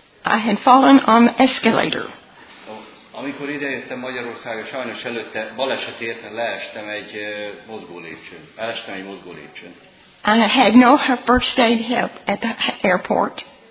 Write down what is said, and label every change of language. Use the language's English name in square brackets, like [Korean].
[English] I had fallen on the escalator. [Hungarian] Amikor idejöttem Magyarországra, sajnos előtte baleset érte, leestem egy mozgó lépcsőn. [English] I had no first aid help at the airport.